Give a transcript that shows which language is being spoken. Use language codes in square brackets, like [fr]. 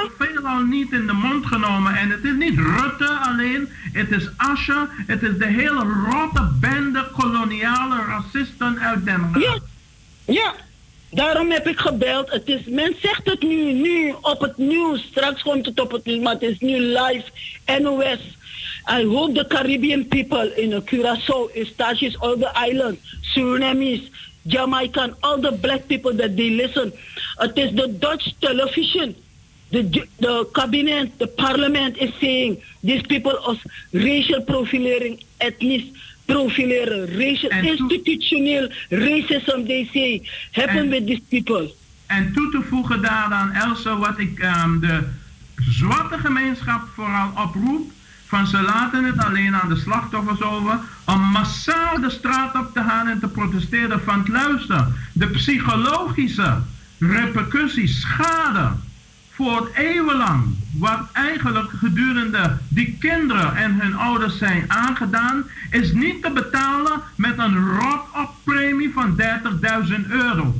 [nl] wordt veelal niet in de mond genomen. En het is niet Rutte alleen, het is Asscher, het is de hele rotte bende koloniale racisten uit Den Haag. Ja, ja. Daarom heb ik gebeld. Het is, men zegt het nu op het nieuws. Straks komt het op het nieuws, maar het is nu live. NOS. [en] I hope the Caribbean people in Curaçao, Eustachius, all the islands, Surinamese, Jamaican, all the black people that they listen. It is the Dutch television, the cabinet, the parliament is saying these people are racial profilering, ethnic profilering, racial and institutional racism, they say, happen with these people. [nl] En toe te voegen daaraan, Elsa, wat ik de zwarte gemeenschap vooral oproep, van ze laten het alleen aan de slachtoffers over, om massaal de straat op te gaan en te protesteren van het luisteren. De psychologische repercussies, schade, voor het eeuwenlang, wat eigenlijk gedurende die kinderen en hun ouders zijn aangedaan, is niet te betalen met een rot-op premie van 30.000 euro.